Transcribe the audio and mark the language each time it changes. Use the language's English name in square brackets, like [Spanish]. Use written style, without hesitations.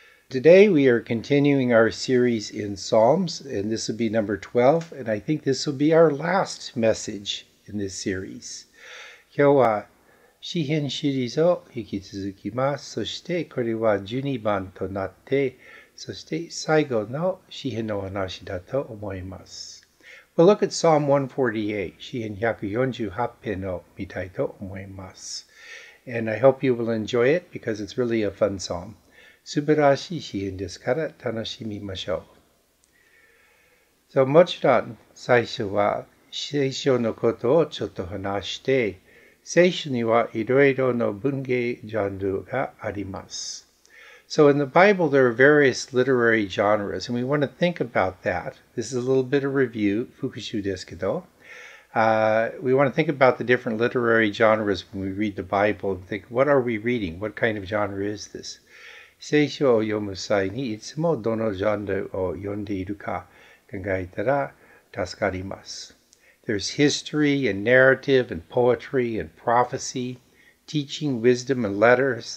[English] Today we are continuing our series in Psalms, and this will be number 12, and I think this will be our last message in this series. [Japanese] 今日は詩篇 シリーズを引き続きます。そしてこれは 12番 となって、 そして最後の 詩篇の話だと思います。 [English] We'll look at Psalm 148, [Japanese] 詩篇148篇を見たいと思います。 [English] And I hope you will enjoy it because it's really a fun psalm. [Japanese] 素晴らしい詩篇ですから楽しみましょう。So もちろん最初は聖書のことをちょっと話して、 聖書にはいろいろの文芸ジャンルがあります。 [English] So in the Bible, there are various literary genres, and we want to think about that. This is a little bit of review, [Japanese] 復習ですけど。 [English] We want to think about the different literary genres when we read the Bible and think, what are we reading? What kind of genre is this? [Japanese] 聖書を読む際にいつもどのジャンルを読んでいるか考えたら助かります。 [English] There's history and narrative and poetry and prophecy, teaching, wisdom, and letters.